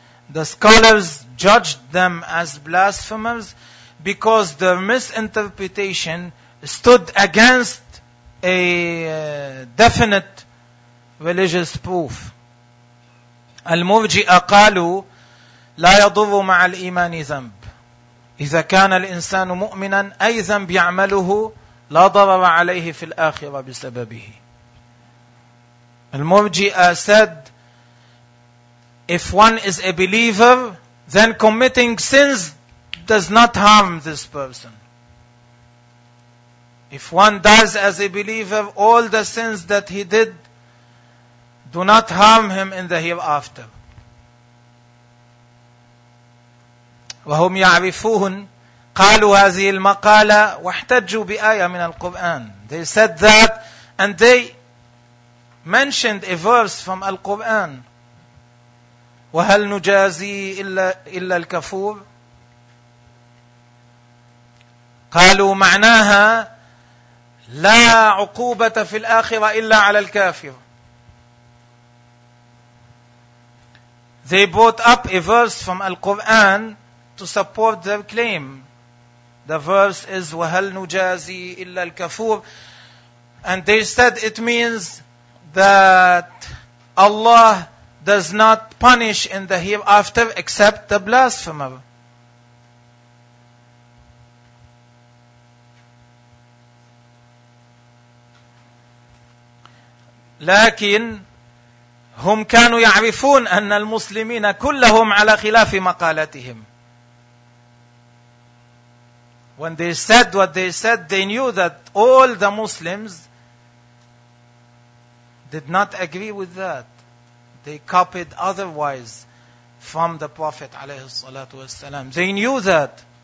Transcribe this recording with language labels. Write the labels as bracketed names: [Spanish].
[English] The scholars judged them as blasphemers because their misinterpretation stood against a definite religious proof. [Arabic] المرجئة قالوا لا يضر مع الإيمان ذنب. إذا كان الإنسان مؤمنا أي ذنب يعمله لا ضرر عليه في الآخرة بسببه. [English] المرجئة said if one is a believer then committing sins does not harm this person. If one dies as a believer, all the sins that he did do not harm him in the hereafter. [Arabic] وهم يعرفون قالوا هذه المقالة واحتجوا بآية من القرآن. [English] They said that and they mentioned a verse from Al-Quran. [Arabic] وَهَلْ نُجَازِي إِلَّا الْكَفُورِ. قالوا معناها لا عقوبة في الآخرة إلا على الكافر. [English] They brought up a verse from Al-Quran to support their claim. The verse is [Arabic] وَهَلْ نُجَازِي إِلَّا الْكَفُورِ. [English] And they said it means that Allah does not punish in the hereafter except the blasphemer. [Arabic] لكن هم كانوا يعرفون أن المسلمين كلهم على خلاف مقالتهم. [English] When they said what they said, they knew that all the Muslims did not agree with that. They copied otherwise from the Prophet [Arabic] عليه الصلاة والسلام. [English] They knew that.